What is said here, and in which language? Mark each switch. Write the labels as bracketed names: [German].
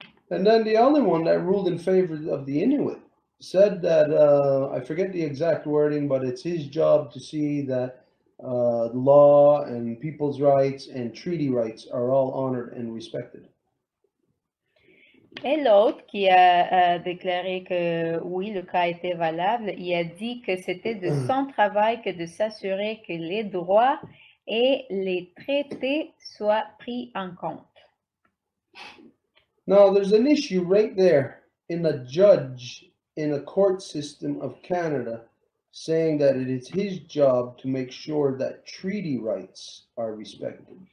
[English] And then the only one that ruled in favor of the Inuit said that, I forget the exact wording, but it's his job to see that law and people's rights and treaty rights are all honored and respected. [French] Et l'autre qui a déclaré que oui, le cas était valable, il a dit que c'était de son travail que de s'assurer que les droits et les traités soient pris en compte. [English] Now, there's an issue right there in a judge in a court system of Canada saying that it is his job to make sure that treaty rights are respected.